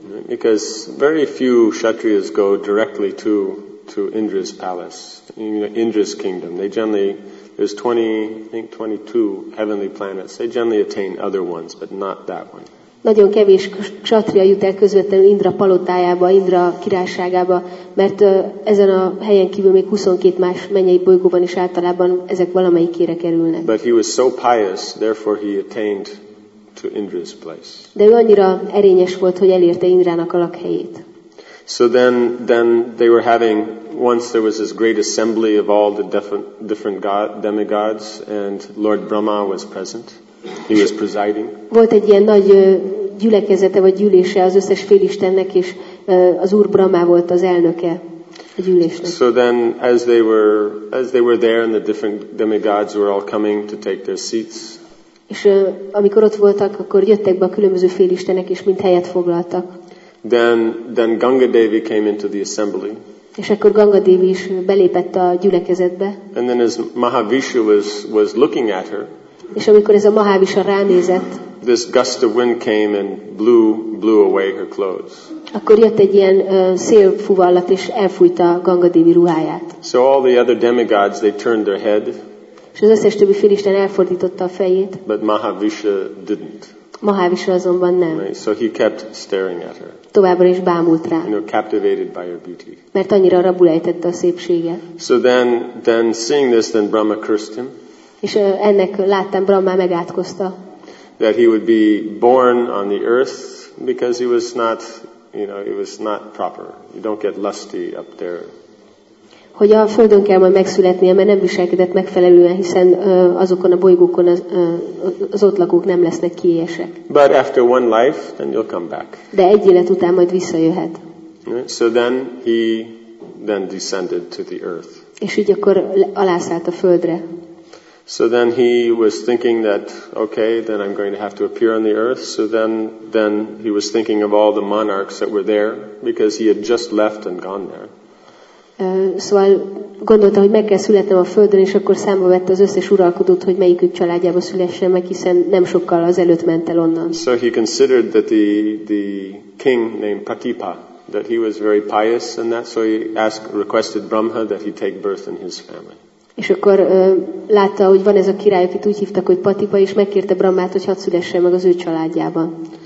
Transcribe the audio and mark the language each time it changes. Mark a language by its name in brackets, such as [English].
[English] Because very few kshatriyas go directly to Indra's palace, Indra's kingdom. They generally, there's 20, I think 22 heavenly planets. They generally attain other ones, but not that one. [Hungarian] Nagyon kevés kshatriya jut el közvetlenül Indra palotájába, Indra királyságába, mert ezen a helyen kívül még 22 más mennyei bolygó van, és általában ezek valamelyikére kerülnek. [English] But he was so pious, therefore he attained to Indra's place. [Hungarian] De ő annyira erényes volt, hogy elérte Indrának a lakhelyét. [English] So then they were having, once there was this great assembly of all the different demigods, and Lord Brahma was present. He was presiding. [Hungarian] Volt egy ilyen nagy gyülekezete vagy gyűlése az összes félistennek, és az Úr Brahma volt az elnöke a gyűlésnek. [English] So then as they were there and the different demigods were all coming to take their seats. [Hungarian] És amikor ott voltak, akkor jöttek be a különböző félistenek, és mind helyet foglaltak. [English] Then Ganga Devi came into the assembly. [Hungarian] És akkor Ganga Devi is belépett a gyülekezetbe. [English] And then as Mahavishu was looking at her. [Hungarian] És amikor ez a Mahavishu ránézett. [English] This gust of wind came and blew away her clothes. [Hungarian] Akkor jött egy ilyen szélfúvallat és elfújta Ganga Devi ruháját. [English] So all the other demigods, they turned their head. [Hungarian] És az összes többi félisten elfordította a fejét. [English] But Mahavishu didn't. [Hungarian] Mahavishu azonban nem. [English] Right, so he kept staring at her. [Hungarian] Továbbra is bámult rá. [English] You know, captivated by her beauty. [Hungarian] Mert annyira rabul ejtette a szépsége. [English] So then seeing this, then Brahma cursed him. [Hungarian] És ennek láttam, Brahma megátkozta. [English] That he would be born on the earth because he was not, you know, it was not proper. You don't get lusty up there. [Hungarian] Hogy a földön kell majd megszületnie, mert nem viselkedett megfelelően, hiszen azokon a bolygókon az ott lakók nem lesznek kiélyesek. [English] But after one life, then you'll come back. [Hungarian] De egy élet után majd visszajöhet. [English] So then he then descended to the earth. [Hungarian] És így akkor alászállt a földre. [English] So then he was thinking that, okay, then I'm going to have to appear on the earth. So then he was thinking of all the monarchs that were there, because he had just left and gone there. [Hungarian] Szóval gondolta, hogy meg kell születnem a földön, és akkor számba vette az összes uralkodót, hogy melyikük családjába szülessen meg, hiszen nem sokkal azelőtt ment el onnan. [English] So he considered that the king named Patipa, that he was very pious, and that so he requested Brahma that he take birth in his family. [Hungarian] És akkor látta, hogy van ez a király, akit úgy hívtak, hogy Patipa, és megkérte Brahmát, hogy hadd szülessen meg az ő családjában.